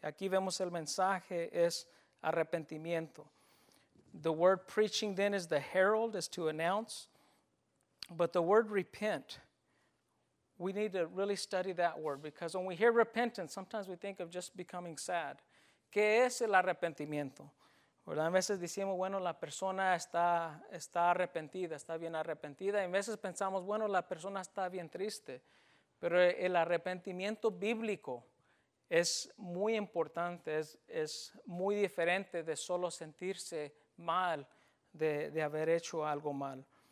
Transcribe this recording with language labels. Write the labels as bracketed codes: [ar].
[es] Aquí vemos el mensaje es arrepentimiento. [en] The word preaching then is the herald, is to announce. But the word repent, we need to really study that word because when we hear repentance, sometimes we think of just becoming sad. [es] ¿Qué es el arrepentimiento? ¿Verdad? A veces decimos, bueno, la persona está arrepentida, está bien arrepentida. Y a veces pensamos, bueno, la persona está bien triste. Pero el arrepentimiento bíblico es muy importante, es muy diferente de solo sentirse mal de haber hecho algo mal.